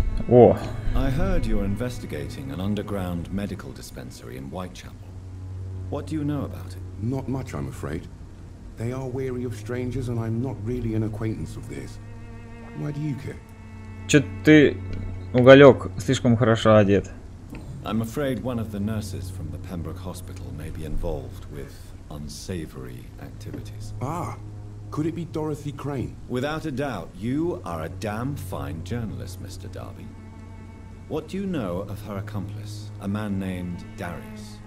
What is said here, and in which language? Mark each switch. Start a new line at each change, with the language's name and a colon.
English: Oh. I heard you're investigating an underground medical dispensary in Whitechapel. What do you know about it? Not much, I'm afraid. They are wary of strangers, and I'm not really an acquaintance of theirs. Why do you care?
Russian: Чё ты, уголёк, слишком хорошо одет.
English: I'm afraid one of the nurses from the Pembroke Hospital may be involved with unsavory activities. Ah, could it be Dorothy Crane? Without a doubt, you are a damn fine journalist, Mr. Darby. What do you know of her accomplice, a man named Darius?